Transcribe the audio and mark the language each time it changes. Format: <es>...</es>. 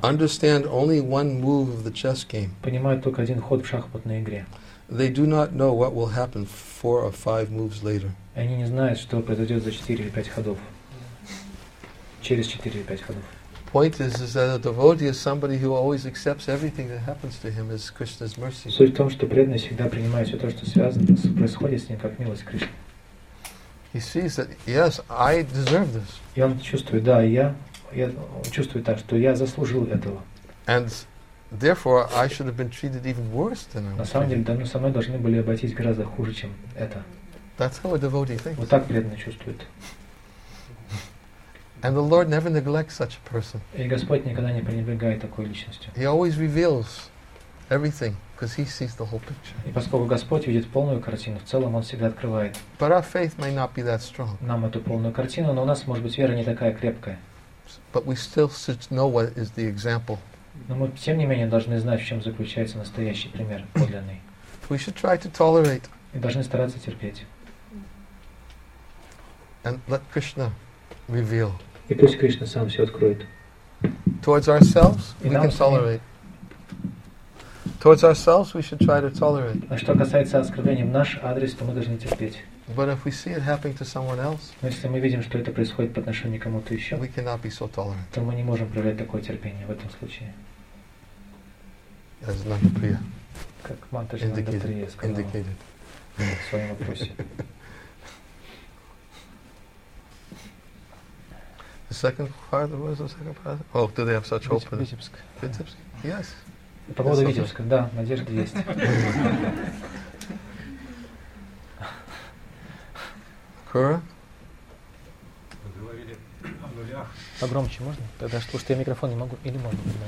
<en>understand only one move of the chess game.</en> <ru>Понимают только один ход в шахматной игре.</ru> <en>They do not know what will happen four or five moves later.</en> <ru>Они не знают, что произойдет за 4 или 5 ходов. Через 4 или 5 ходов.</ru> <en>Point is that a devotee is somebody who always accepts everything that happens to him as Krishna's mercy.</en> <ru>Суть в том, что преданный всегда принимает все то, что связано, происходит с ним, как милость Кришны.</ru> <en>He sees that, yes, I deserve this.</en> <ru>И он чувствует, да, я чувствую так, что я заслужил этого.</ru> <en>And therefore, I should have been treated even worse than I was.</en> <ru>На самом деле, со мной должны были обойтись гораздо хуже, чем это.</ru> <en>That's how a devotee thinks.</en> <ru>Вот так преданный чувствует.</ru> <en>And the Lord never neglects such a person.</en> <ru>И Господь никогда не пренебрегает такой личностью.</ru> <en>He always reveals everything because He sees the whole picture.</en> <ru>И поскольку Господь видит полную картину, в целом Он всегда открывает.</ru> <en>But our faith may not be that strong.</en> <ru>Нам эту полную картину, но у нас может быть вера не такая крепкая.</ru> <en>But we still should know what is the example.</en> <ru>Но мы тем не менее должны знать, в чем заключается настоящий пример подлинный.</ru> <en>We should try to tolerate.</en> <ru>И должны стараться терпеть.</ru> <en>And let Krishna reveal.</en> <ru>И пусть Кришна сам все откроет.</ru> <en>Towards ourselves, we can tolerate. Towards ourselves, we should try to tolerate.</en> <ru>А что касается оскорблений в наш адрес, то мы должны терпеть.</ru> <en>But if we see it happening to someone else,</en> <ru>но если мы видим, что это происходит по отношению к кому-то еще,</ru> <en>we cannot be so tolerant.</en> <ru>То мы не можем проявлять такое терпение в этом случае.</ru> <en>As Nandapriya</en> <ru>как Матаджи Нандаприя сказала</ru> <en>indicated.</en> <ru>В своем вопросе.</ru> <en>The second part, what was the second part? Oh, do they have such hope?</en> <ru>Витебск. Витебск? Yes. По поводу Витебска, да, надежда есть. Кура? Говорили о нулях. Погромче можно? Тогда, потому что я микрофон не могу, или можно?</ru>